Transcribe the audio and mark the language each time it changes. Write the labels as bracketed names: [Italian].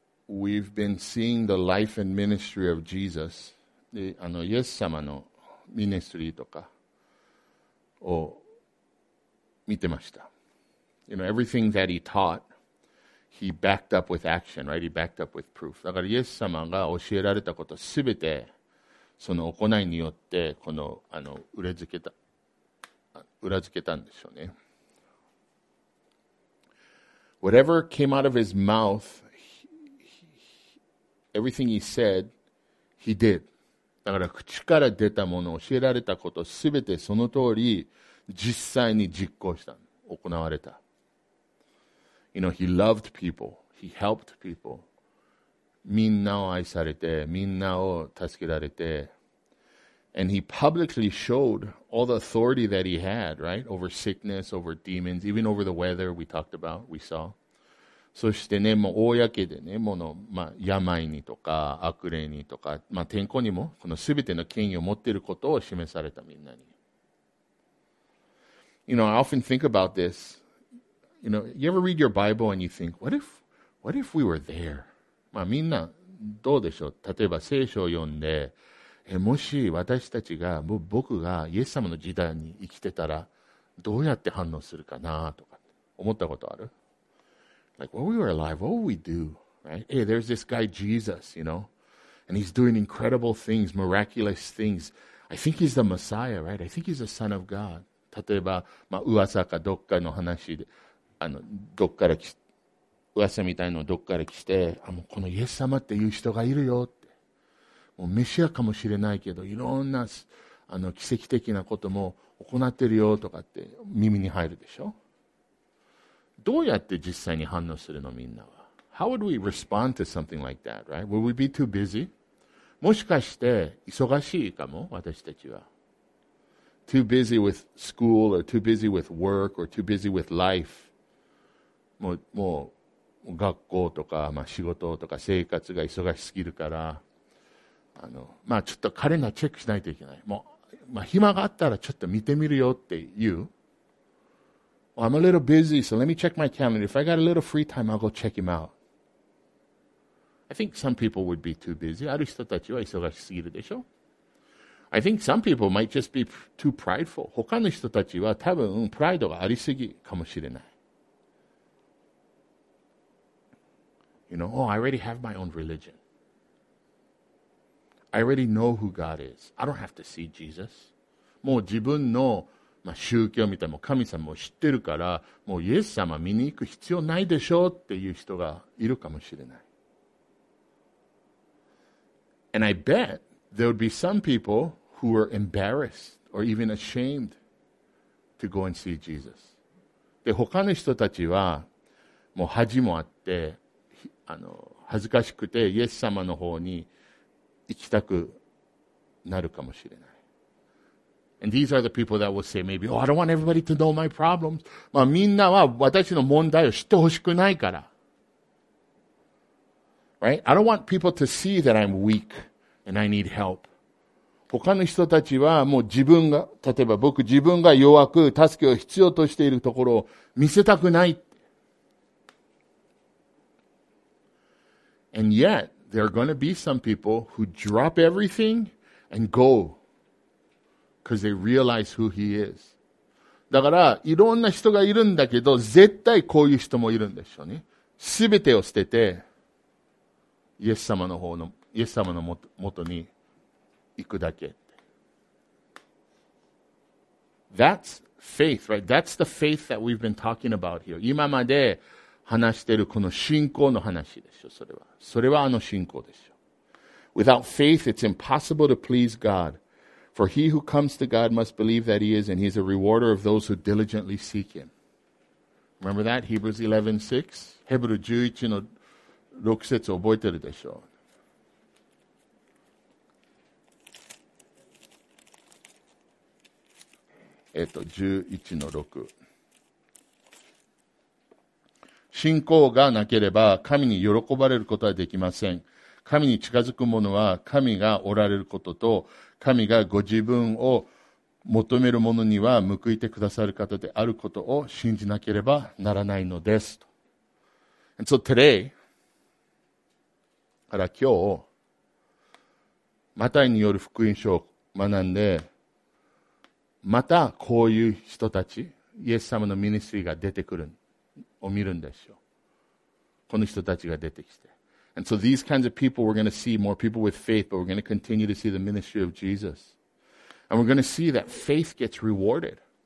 [English] We've been seeing the life and ministry of Jesus. [Japanese] イエス様のミニストリーとかを見てました。 [English] You know, everything that he taught, he backed up with action, right? He backed up with proof. [Japanese] だからイエス様が教えられたことすべて、その行いによって、この、裏付けたんでしょうね。 [English] Whatever came out of his mouth, everything he said, he did. [Japanese] だから口から出たもの、教えられたことすべてその通り、実際に実行した、行われた。 [English] You know, he loved people. He helped people. [Japanese] みんなを愛されて、みんなを助けられて。 [English] And he publicly showed all the authority that he had, right? Over sickness, over demons, even over the weather we talked about, we saw. [Japanese] そしてね、もう公でね、病にとか悪霊にとか、天候にも、この全ての権威を持っていることを示されたみんなに。 [English] You know, I often think about this. You know, you ever read your Bible and you think, what if we were there? [Japanese] みんなどうでしょう。例えば聖書を読んで、もし私たちが、僕がイエス様の時代に生きてたら、どうやって反応するかなとか思ったことある [English] ？Like, when we were alive, what would we do? Right? Hey, there's this guy Jesus, you know? And he's doing incredible things, miraculous things. I think he's the Messiah, right? I think he's the Son of God. [Japanese] 例えば、噂かどっかの話で、どっから来、噂みたいなのどっから来て、もうこのイエス様っていう人がいるよって。もうメシアかもしれないけど、いろんな、奇跡的なことも行ってるよとかって耳に入るでしょ？どうやって実際に反応するのみんなは。 [English] How would we respond to something like that, right? Would we be too busy? [Japanese] もしかして、忙しいかも、私たちは。 [English] Too busy with school, or too busy with work, or too busy with life. [Japanese] もう学校とか、仕事とか生活が忙しすぎるから、ちょっとカレンダーチェックしないといけない。もう、暇があったらちょっと見てみるよって言う。 [English] Well, I'm a little busy, so let me check my calendar. If I got a little free time, I'll go check him out. I think some people would be too busy. [Japanese] ある人たちは忙しすぎるでしょ。 [English] I think some people might just be too prideful. [Japanese] 他の人たちは多分、プライドがありすぎかもしれない。 [English] You know, oh, I already have my own religion. I already know who God is. I don't have to see Jesus. [Japanese] もう自分の、宗教みたいな神様を知ってるから、もうイエス様見に行く必要ないでしょうっていう人がいるかもしれない。 [English] And I bet there would be some people who were embarrassed or even ashamed to go and see Jesus. [Japanese] で、他の人たちは、もう恥もあって、恥ずかしくてイエス様の方に行きたくなるかもしれない。 [English] And these are the people that will say maybe, oh, I don't want everybody to know my problems. [Japanese] みんなは私の問題を知ってほしくないから。 [English] Right? I don't want people to see that I'm weak and I need help. [Japanese] 他の人たちはもう自分が、例えば僕自分が弱く助けを必要としているところを見せたくない。 [English] And yet, there are going to be some people who drop everything and go because they realize who he is. [Japanese] だから、いろんな人がいるんだけど、絶対こういう人もいるんでしょうね。すべてを捨てて、イエス様のもとに行くだけ。 [English] That's faith, right? That's the faith that we've been talking about here. [Japanese] 今まで、話してるこの信仰の話でしょ、それは。それはあの信仰でしょ。 [English] Without faith, it's impossible to please God. For he who comes to God must believe that he is, and he is a rewarder of those who diligently seek him. Remember that? Hebrews 11:6? [Japanese] ヘブル11の6節を覚えてるでしょ。 11の6。信仰がなければ神に喜ばれることはできません。神に近づく者は神がおられることと、神がご自分を求める者には報いてくださる方であることを信じなければならないのです。 [English] And so today, [Japanese] から今日、マタイによる福音書を学んで、またこういう人たち、イエス様のミニストリーが出てくるを見るんですよ。この人たちが出てきて。 [English] And so these kinds of people, we're going to see more people with faith, but we're going to continue to see the ministry of Jesus. And we're going to see that faith gets rewarded.